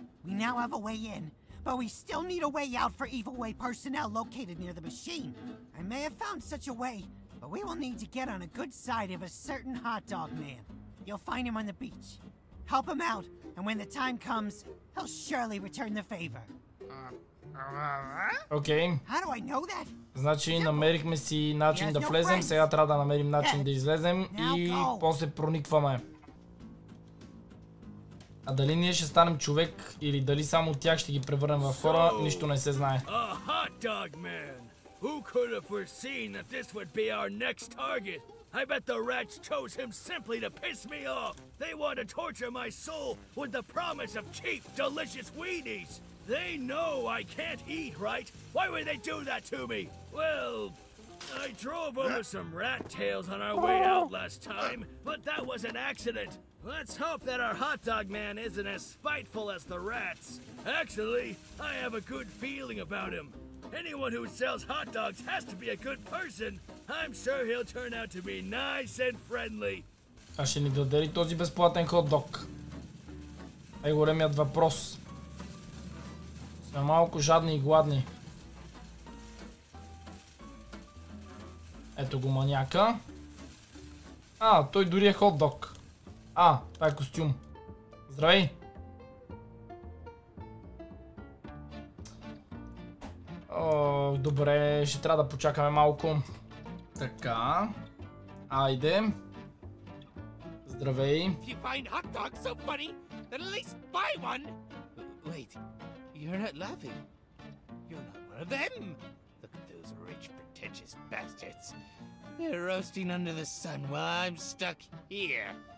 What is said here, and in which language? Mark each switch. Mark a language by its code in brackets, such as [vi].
[en] We now have a way in, but we still need a way out for evil way personnel located near the machine. I may have found such a way, but we will need to get on a good side of a certain hot dog man. You'll find him on the beach. Help him out, and when the time comes, he'll surely return the favor. Okay. How do I know that? [bg] Значи намерихме си начин да влезем, сега трябва да намерим начин да излезем и после проникваме. А дали ние ще станем човек или дали само тях ще ги превърнем в хора, нищо не се знае. [en] A hot dog man. Who could have foreseen that this would be our next target? I bet the rats chose him simply to piss me off. They want to torture my soul with the promise of cheap, delicious weenies. They know I can't eat, right? Why would they do that to me? Well, I drove over some rat tails on our way out last time, but that was an accident. Let's hope that our hot dog man isn't as spiteful as the rats. Actually, I have a good feeling about him. Anyone who sells hot dogs has to be a good person. I'm sure he'll turn out to be nice and friendly. [bg] А ще ни даде ли този безплатен хот-дог? Е големият въпрос. Сме малко жадни и гладни. Ето го маняка. А, той дори е хот-дог. А, това е костюм. Здравей! О, добре, ще трябва да почакаме малко. Така. Айде. Здравей. [en] If you find hot dogs so funny, then at least buy one. Wait, you're not laughing. You're not one of them. Look at those rich, pretentious bastards. They're roasting under the sun while I'm stuck here.